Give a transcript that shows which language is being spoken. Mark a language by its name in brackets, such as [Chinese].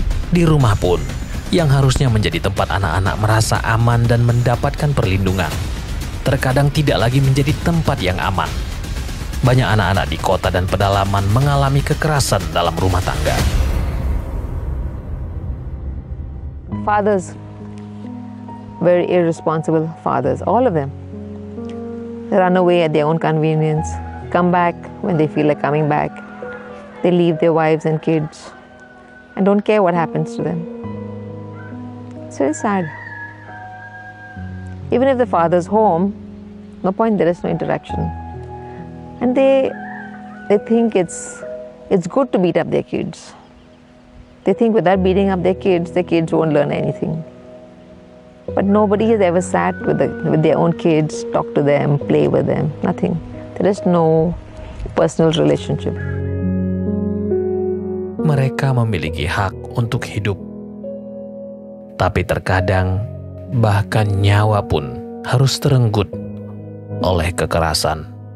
[Indonesian] Di rumah pun, yang harusnya menjadi tempat anak-anak merasa aman dan mendapatkan perlindungan, terkadang tidak lagi menjadi tempat yang aman. Banyak anak-anak di kota dan pedalaman mengalami kekerasan dalam rumah tangga. [English] Fathers, very irresponsible fathers, all of them. They run away at their own convenience, come back when they feel like coming back. They leave their wives and kids and don't care what happens to them. It's very sad. Even if the father's home, no point, there is no interaction. And they think it's good to beat up their kids. They think without beating up their kids won't learn anything. But nobody has ever sat with their own kids, talk to them, play with them, nothing. There is no personal relationship. [Indonesian] Mereka memiliki hak untuk hidup. Tapi terkadang, bahkan nyawa pun harus terenggut oleh kekerasan.